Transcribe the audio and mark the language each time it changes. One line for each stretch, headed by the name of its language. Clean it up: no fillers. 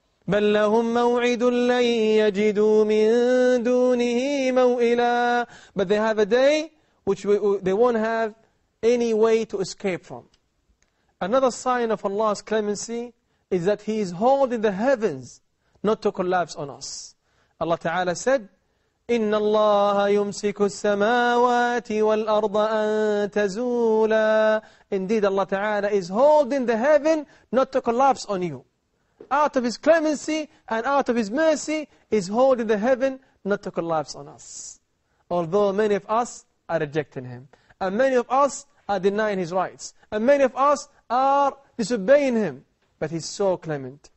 Arabic: بل لهم موعد لن يجدوا من دونه موئلا.
English: But they have a day which they won't have any way to escape from. Another sign of Allah's clemency is that He is holding the heavens not to collapse on us. Allah Ta'ala said,
Arabic: إن الله يمسك السماوات والأرض أن تزولا.
English: Indeed, Allah Ta'ala is holding the heaven not to collapse on you. Out of His clemency and out of His mercy is holding the heaven not to collapse on us. Although many of us are rejecting Him, and many of us are denying His rights, and many of us are disobeying Him, but He's so clement.